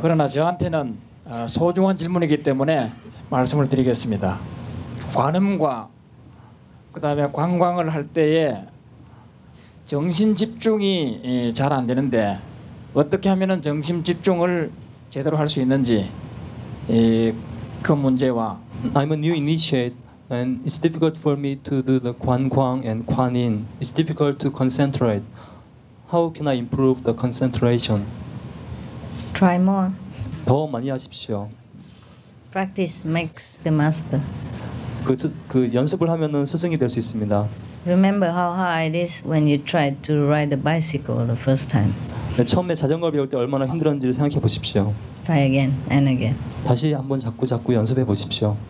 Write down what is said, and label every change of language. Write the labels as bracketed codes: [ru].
[ko] 그러나 저한테는 소중한 질문이기 때문에 말씀을 드리겠습니다. 관음과 그 다음에 관광을 할 때에 정신집중이 잘 안 되는데 어떻게 하면 정신집중을 제대로 할 수 있는지 그 문제와 [en] I'm a new initiate and it's difficult for me to do the 관광 and 관인. It's difficult to concentrate. How can I improve the concentration? Try more. [ko] 더 많이 하십시오. [en] Practice makes the master. [ko] 그 연습을 하면은 스승이 될 수 있습니다. [en] Remember how hard it is when you tried to ride a bicycle the first time. [ko] 네, 처음에 자전거 배울 때 얼마나 힘들었는지를 생각해 보십시오. [en] Try again and again. [ko] 다시 한번 자꾸 연습해 보십시오.